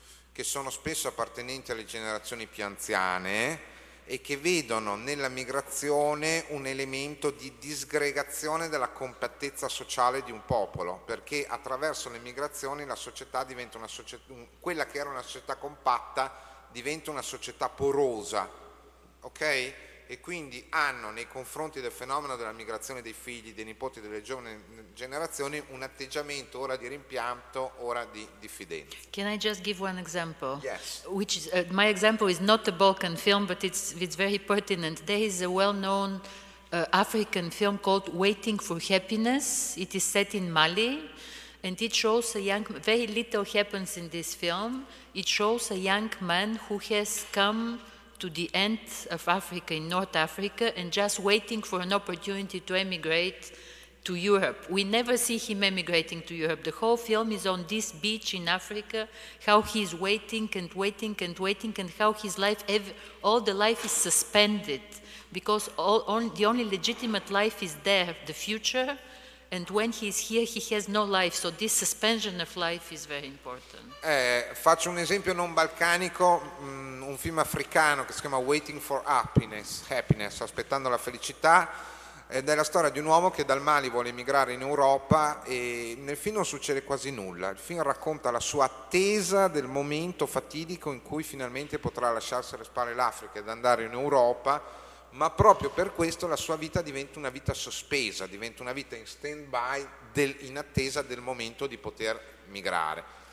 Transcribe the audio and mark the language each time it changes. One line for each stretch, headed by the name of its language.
Italian: che sono spesso appartenenti alle generazioni più anziane e che vedono nella migrazione un elemento di disgregazione della compattezza sociale di un popolo, perché attraverso le migrazioni la società diventa una società, quella che era una società compatta diventa una società porosa, ok? E quindi hanno nei confronti del fenomeno della migrazione dei figli, dei nipoti, delle giovani generazioni un atteggiamento ora di rimpianto, ora di diffidenza.
English: Can I just give one example? Yes. Which is, my example is not a Balkan film, but it's very pertinent. There is a well-known African film called Waiting for Happiness. It is set in Mali, and it shows a young, very little happens in this film. It shows a young man who has come to the end of Africa, in North Africa, and just waiting for an opportunity to emigrate to Europe. We never see him emigrating to Europe. The whole film is on this beach in Africa, how he's waiting and waiting and waiting, and how his life, all the life is suspended, because the only legitimate life is there, the future, and when he's here he has no life, so this suspension of life is very important.
Italian: Faccio un esempio non balcanico, un film africano che si chiama Waiting for Happiness, aspettando la felicità, ed è la storia di un uomo che dal Mali vuole emigrare in Europa e nel film non succede quasi nulla. Il film racconta la sua attesa del momento fatidico in cui finalmente potrà lasciarsi alle spalle l'Africa ed andare in Europa, ma proprio per questo la sua vita diventa una vita sospesa, diventa una vita in stand-by, in attesa del momento di poter migrare.